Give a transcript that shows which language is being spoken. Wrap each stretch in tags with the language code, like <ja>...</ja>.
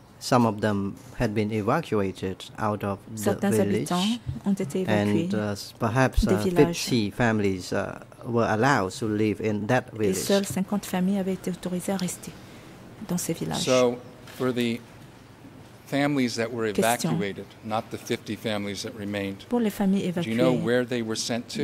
<en>some of them had been evacuated out of the village,</en> <fr>ont été évacués</fr> <en>and perhaps 50 families were allowed to live in that village.</en> <fr>Et seules 50 familles avaient été autorisées à rester dans ces villages.</fr> <en>So, for the families that were evacuated, not the 50 families that remained.</en> <fr>Pour les familles évacuées,</fr> <en>do you know where they were sent to?</en>